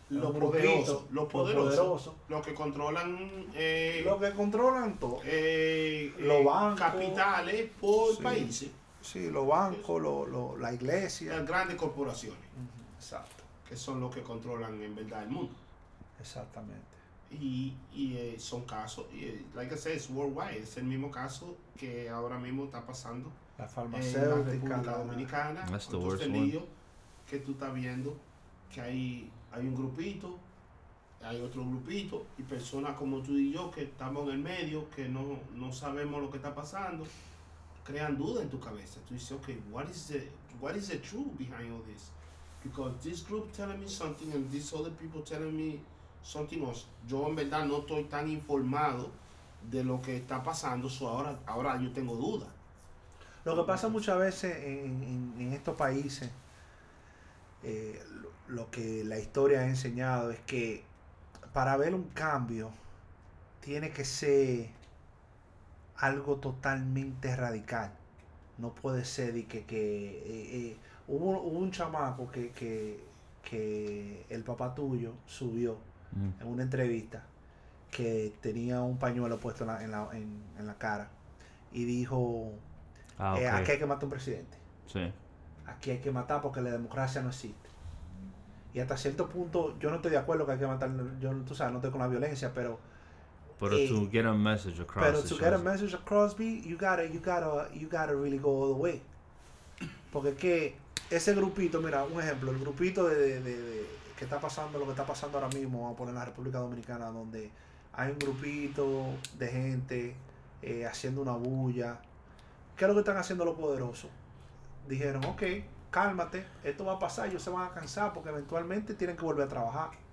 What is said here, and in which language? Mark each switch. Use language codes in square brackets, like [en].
[es] Los poderosos. Los poderosos. Los que controlan... los que controlan todo. Los bancos. Capitales por países. Sí, los bancos, la iglesia. Las grandes corporaciones. Uh-huh. Exacto. Que son los que controlan en verdad el mundo. Exactamente. Y son casos, [en] like I said, it's worldwide. [es] Es el mismo caso que ahora mismo está pasando. La farmacéutica. En la República Dominicana. [en] That's the worst one. [es] Que tú estás viendo que hay un grupito, hay otro grupito, y personas como tú y yo que estamos en el medio, que no sabemos lo que está pasando, crean duda en tu cabeza. Tú dices, [en] okay, what is the truth behind all this? Because this group telling me something and these other people telling me something else. [es] Yo en verdad no estoy tan informado de lo que está pasando, so ahora yo tengo duda. Lo que pasa muchas veces en estos países, lo que la historia ha enseñado es que para ver un cambio tiene que ser algo totalmente radical. No puede ser de que hubo un chamaco que el papá tuyo subió en una entrevista que tenía un pañuelo puesto en la cara y dijo... Ah, okay. Aquí hay que matar a un presidente. Sí. Aquí hay que matar porque la democracia no existe. Y hasta cierto punto, yo no estoy de acuerdo que hay que matar. Yo, tú sabes, no estoy con la violencia, pero. [en] Pero to get a message across. Pero to get a message across, you gotta really go all the way. [es] Porque es que ese grupito, mira, un ejemplo, el grupito de que está pasando, lo que está pasando ahora mismo, vamos a poner en la República Dominicana, donde hay un grupito de gente haciendo una bulla. ¿Qué es lo que están haciendo los poderosos? Dijeron, ok, cálmate, esto va a pasar, ellos se van a cansar porque eventualmente tienen que volver a trabajar.